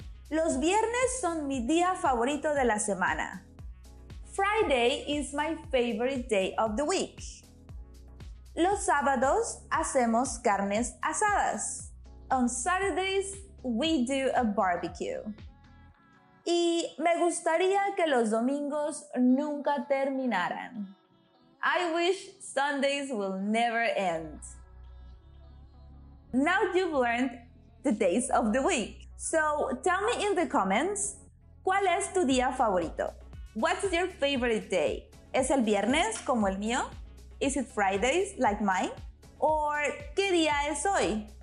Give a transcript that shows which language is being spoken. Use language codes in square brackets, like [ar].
[es] Los viernes son mi día favorito de la semana. [en] Friday is my favorite day of the week. [es] Los sábados hacemos carnes asadas. [en] On Saturdays, we do a barbecue. [es] Y me gustaría que los domingos nunca terminaran. [en] I wish Sundays will never end. Now you've learned the days of the week. So tell me in the comments, [es] ¿cuál es tu día favorito? [en] What's your favorite day? [es] ¿Es el viernes como el mío? [en] Is it Fridays like mine? Or [es] ¿qué día es hoy?